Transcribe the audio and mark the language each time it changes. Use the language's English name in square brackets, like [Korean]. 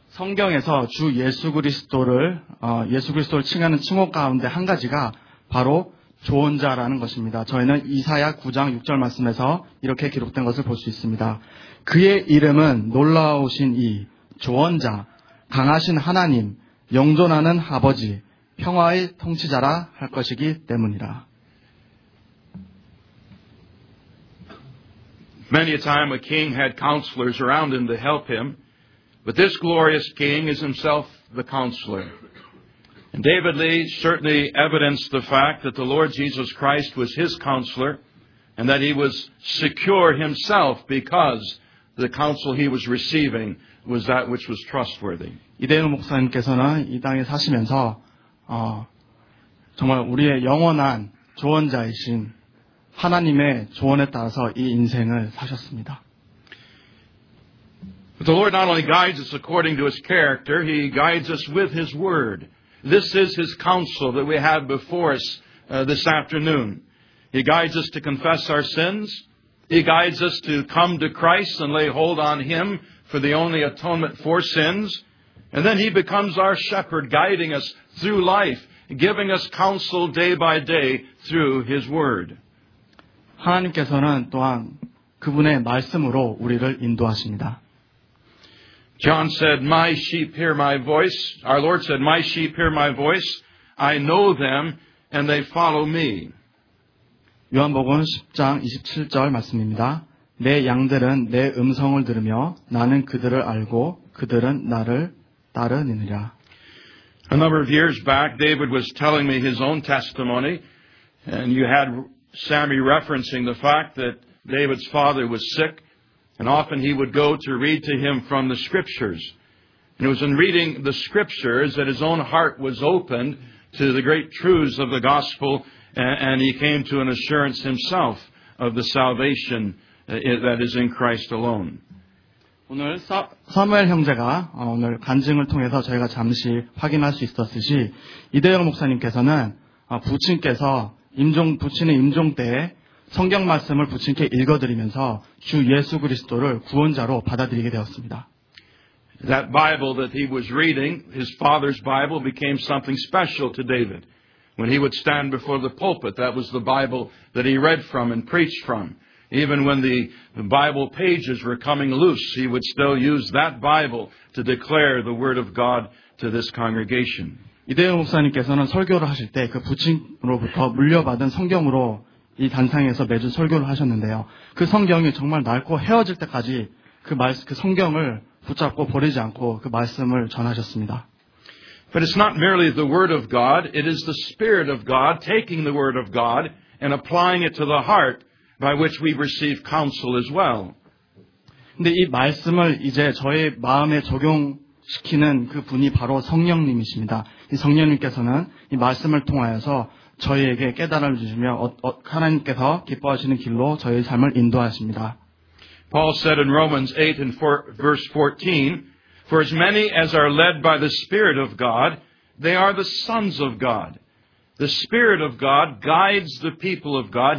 [Korean] 성경에서 주 예수 그리스도를 예수 그리스도를 칭하는 칭호 가운데 한 가지가 바로 조언자라는 것입니다. 저희는 이사야 9장 6절 말씀에서 이렇게 기록된 것을 볼 수 있습니다. 그의 이름은 놀라우신 이 조언자, 강하신 하나님, 영존하는 아버지, 평화의 통치자라 할 것이기 때문이라. [English] Many a time a king had counselors around him to help him. But this glorious king is himself the counselor. And David Lee certainly evidenced the fact that the Lord Jesus Christ was his counselor and that he was secure himself because the counsel he was receiving was that which was trustworthy. [Korean] 이대호 목사님께서는 이 땅에 사시면서 정말 우리의 영원한 조언자이신 하나님의 조언에 따라서 이 인생을 사셨습니다. [English] But the Lord not only guides us according to His character, He guides us with His Word. This is His counsel that we have before us this afternoon. He guides us to confess our sins. He guides us to come to Christ and lay hold on Him for the only atonement for sins. And then He becomes our shepherd, guiding us through life, giving us counsel day by day through His Word. [Korean] 하나님께서는 또한 그분의 말씀으로 우리를 인도하십니다. [English] John said, My sheep hear my voice. Our Lord said, My sheep hear my voice. I know them and they follow me. [Korean] 요한복음 10장 27절 말씀입니다. 내 양들은 내 음성을 들으며 나는 그들을 알고 그들은 나를 따르느니라. [English] A number of years back, David was telling me his own testimony. And you had Sammy referencing the fact that David's father was sick. And often he would go to read to him from the scriptures. And it was in reading the scriptures that his own heart was opened to the great truths of the gospel, and he came to an assurance himself of the salvation that is in Christ alone. [Korean] 오늘 사무엘 형제가 오늘 간증을 통해서 저희가 잠시 확인할 수 있었듯이 이대영 목사님께서는 부친께서 임종 부친의 임종 때에 성경 말씀을 부친께 읽어드리면서 주 예수 그리스도를 구원자로 받아들이게 되었습니다. [English] That Bible that he was reading, his father's Bible, became something special to David. When he would stand before the pulpit, that was the Bible that he read from and preached from. Even when the Bible pages were coming loose, he would still use that Bible to declare the word of God to this congregation. [Korean] 이대영 목사님께서는 설교를 하실 때 그 부친으로부터 물려받은 성경으로 이 단상에서 매주 설교를 하셨는데요. 그 성경이 정말 낡고 헤어질 때까지 그 성경을 붙잡고 버리지 않고 그 말씀을 전하셨습니다. [English] But it's not merely the word of God, it is the spirit of God taking the word of God and applying it to the heart by which we receive counsel as well. [Korean] 근데 이 말씀을 이제 저의 마음에 적용시키는 그 분이 바로 성령님이십니다. 이 성령님께서는 이 말씀을 통하여서 저희에게 깨달음을 주시며 하나님께서 기뻐하시는 길로 저희 삶을 인도하십니다. [English] Paul said in Romans 8 and 4, verse 14, For as many as are led by the Spirit of God, they are the sons of God. The Spirit of God guides the people of God.